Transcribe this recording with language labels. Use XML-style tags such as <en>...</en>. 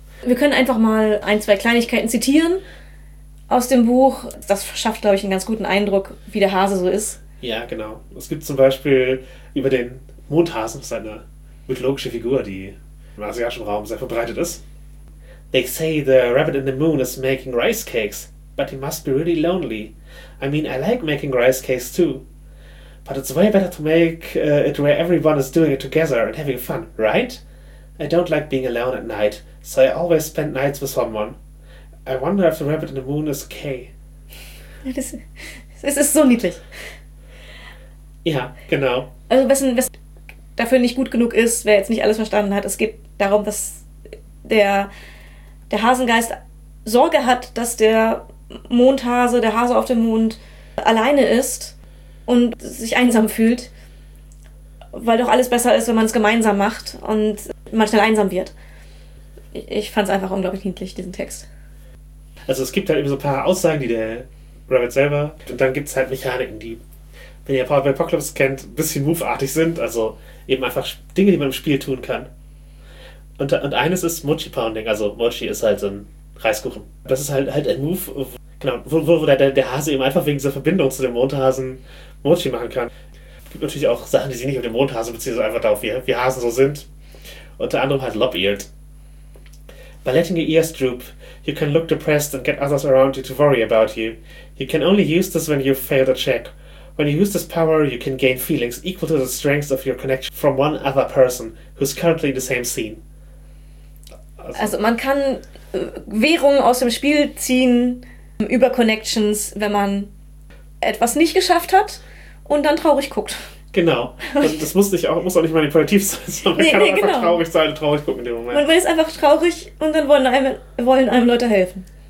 <de>Wir können einfach mal ein, zwei Kleinigkeiten zitieren. Aus dem Buch, das schafft, glaube ich, einen ganz guten Eindruck, wie der Hase so ist. Ja, genau. Es gibt zum Beispiel über den Mondhasen, das ist eine mythologische Figur, die im asiatischen Raum sehr verbreitet ist.</de> <en>They say the rabbit in the moon is making rice cakes, but he must be really lonely. I mean, I like making rice cakes too. But it's way better to make it where everyone is doing it together and having fun, right? I don't like being alone at night, so I always spend nights with someone. I wonder if the rabbit in the moon is okay.</en> <de>Das ist so niedlich. Ja, genau. Also was dafür nicht gut genug ist, wer jetzt nicht alles verstanden hat, es geht darum, dass der der Hasengeist Sorge hat, dass der Mondhase, der Hase auf dem Mond, alleine ist und sich einsam fühlt, weil doch alles besser ist, wenn man es gemeinsam macht und man schnell einsam wird. Ich fand es einfach unglaublich niedlich, diesen Text. Also es gibt halt eben so ein paar Aussagen, die der Rabbit selber, und dann gibt es halt Mechaniken, die, wenn ihr Power Play Apocalypse kennt, ein bisschen Move-artig sind, also eben einfach Dinge, die man im Spiel tun kann. Und eines ist Mochi Pounding, also Mochi ist halt so ein Reiskuchen. Das ist halt ein Move, wo der Hase eben einfach wegen dieser Verbindung zu dem Mondhasen Mochi machen kann. Es gibt natürlich auch Sachen, die sich nicht auf den Mondhasen beziehen, sondern einfach darauf, wie Hasen so sind. Unter anderem halt Lop-Eared.</de> <en>By letting your ears droop, you can look depressed and get others around you to worry about you. You can only use this when you fail the check. When you use this power, you can gain feelings equal to the strength of your connection from one other person who's currently in the same scene.</en> <de>Also man kann Währung aus dem Spiel ziehen über Connections, wenn man etwas nicht geschafft hat und dann traurig guckt. Genau. Das muss auch nicht manipulativ sein, sondern man kann auch einfach traurig sein und traurig gucken in dem Moment. Man ist einfach traurig und dann wollen einem Leute helfen.</de>